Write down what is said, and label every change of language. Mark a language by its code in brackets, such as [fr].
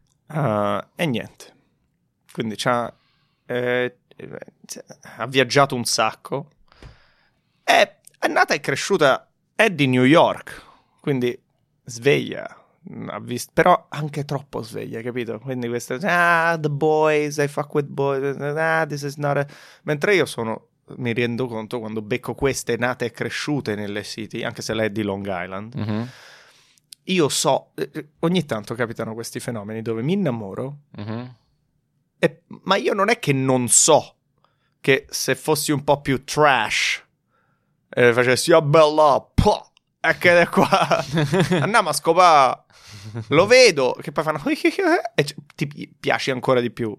[it] E niente, quindi ha viaggiato un sacco, è nata e cresciuta, è di New York, quindi sveglia, però anche troppo sveglia, capito? Quindi questa, [en] the boys, I fuck with boys, this is not a... [it] Mentre io mi rendo conto quando becco queste nate e cresciute nelle city, anche se lei è di Long Island... Mm-hmm. Io so, ogni tanto capitano questi fenomeni dove mi innamoro, mm-hmm. Ma io non è che non so che se fossi un po' più trash e facessi, oh bella, e che è qua, andiamo a scopare, lo vedo, che poi fanno, e ti piace ancora di più.